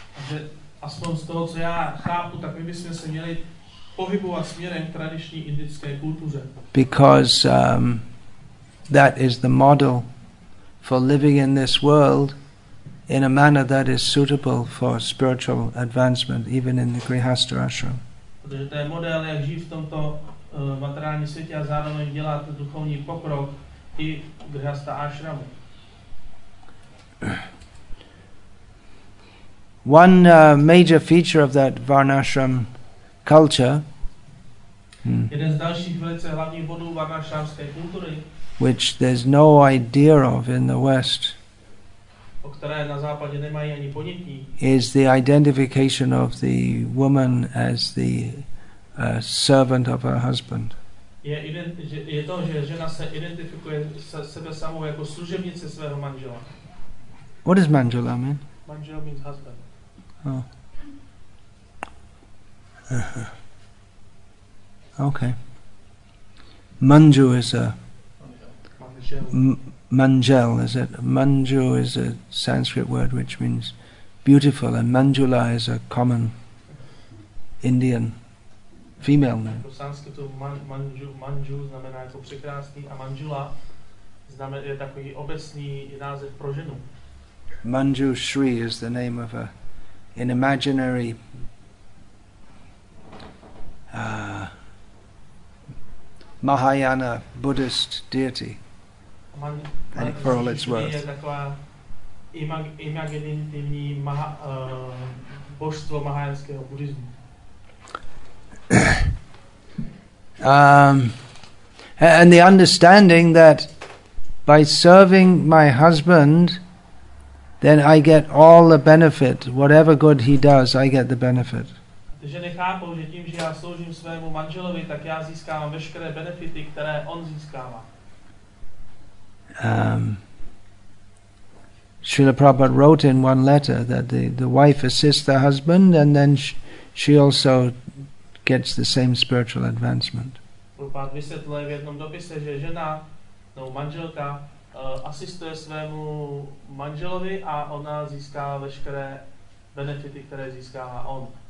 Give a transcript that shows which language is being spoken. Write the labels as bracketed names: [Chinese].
[Czech] Že aspoň z toho, co já chápu, tak my bychom se měli pohybovat směrem k tradiční indické kultuře. [English] Because that is the model for living in this world in a manner that is suitable for spiritual advancement, even in the grihastha ashram. [Czech] Protože to je model, jak žít v tomto materiálním světě a zároveň dělat duchovní pokrok i v grihastha ashramu. [English] One major feature of that varnashram culture, [Czech] jeden z dalších velice hlavních bodů varnašrámské kultury, [English] which there's no idea of in the West, [Czech] o které na západě nemají ani ponětí, [English] is the identification of the woman as the servant of her husband. [Czech] Je to, že žena se identifikuje sebe samou jako služebnice svého manžela. [English] What does manžela mean? Manžel means husband. Okay. Manju is a manjel, is it? Manju is a Sanskrit word which means beautiful, and Manjula is a common Indian female name. [Czech] V sanskritu manju znamená jako překrásný a manjula znamená je takový obecný název pro ženu. [English] Manju Shri is the name of an imaginary Mahayana Buddhist deity. For all its worth. And the understanding that by serving my husband, then I get all the benefit. Whatever good he does, I get the benefit. [Czech] Že nechápou, že tím, že já sloužím svému manželovi, tak já získávám veškeré benefity, které on získává. [English] Srila Prabhupada wrote in one letter that the wife assists the husband and then she also gets the same spiritual advancement. [Czech] Prabhupada vysvětluje v jednom dopise, že žena, no manželka, asistuje svému manželovi a ona získává veškeré benefity, které získává on.